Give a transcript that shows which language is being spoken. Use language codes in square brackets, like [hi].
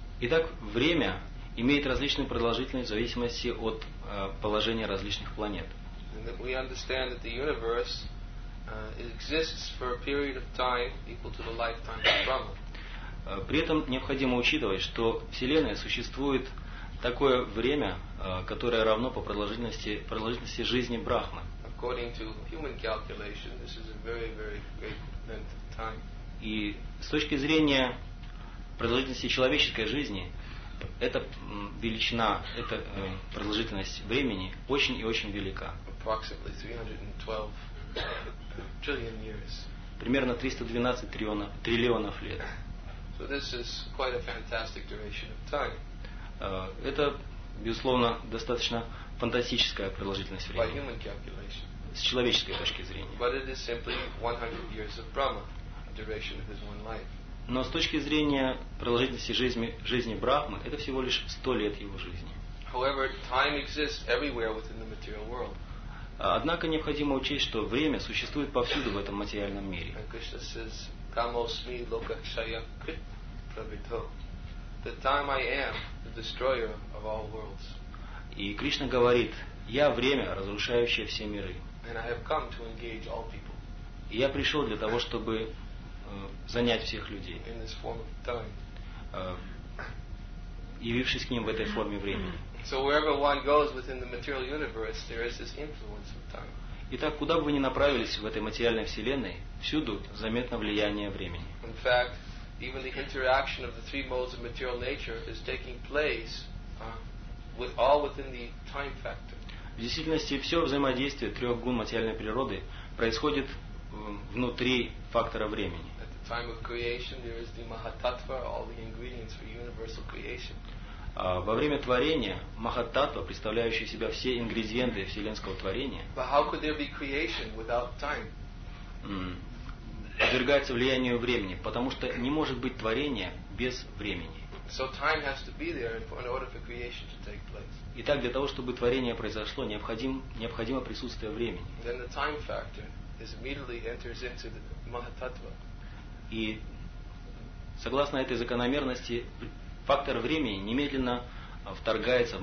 [ru] Итак, время имеет различную продолжительность в зависимости от положения различных планет. [en] And we understand that the universe exists for a period of time equal to the lifetime of Brahma. [ru] При этом необходимо учитывать, что Вселенная существует такое время, которое равно по продолжительности жизни Брахмы. [en] According to human calculation, this is a very, very great length of time. [ru] И с точки зрения продолжительности человеческой жизни, эта величина, эта продолжительность времени очень и очень велика. [en] Approximately 312 trillion years. [ru] Примерно 312 триллионов лет. [en] So this is quite a fantastic duration of time. [ru] Это, безусловно, достаточно фантастическая продолжительность времени. [en] By human calculation. [ru] С человеческой точки зрения. [en] But it is simply 100 years of Brahma, duration of his one life. [ru] Но с точки зрения продолжительности жизни Брахмы, это всего лишь 100 лет его жизни. [en] However, time exists everywhere within the material world. [ru] Однако необходимо учесть, что время существует повсюду в этом материальном мире. [en] And Krishna says, [sa] Kamo smi loka kshayam krit pravito. [en] The time I am, the destroyer of all worlds. [ru] И Кришна говорит, я время, разрушающее все миры. [en] And I have come to engage all people. [ru] И я пришел для того, чтобы занять всех людей, [en] in this form of time. [ru] Явившись к ним в этой форме времени. [en] So wherever one goes within the material universe, there is this influence of time. [ru] Итак, куда бы вы ни направились в этой материальной вселенной, всюду заметно влияние времени. [en] In fact, even the interaction of the three modes of material nature is taking place with all within the time factor. [ru] В действительности, все взаимодействие трех гун материальной природы происходит внутри фактора времени. [en] At the time of creation, there is the Mahatattva, all the ingredients for universal creation. [ru] Во время творения Махаттатва, представляющий себя все ингредиенты вселенского творения, [en] But how could there be creation without time? [ru] Подвергается влиянию времени, потому что не может быть творения без времени. Итак, для того, чтобы творение произошло, необходимо присутствие времени. [en] Then the time factor is immediately enters into the Mahatattva. [ru] И согласно этой закономерности, фактор времени немедленно вторгается в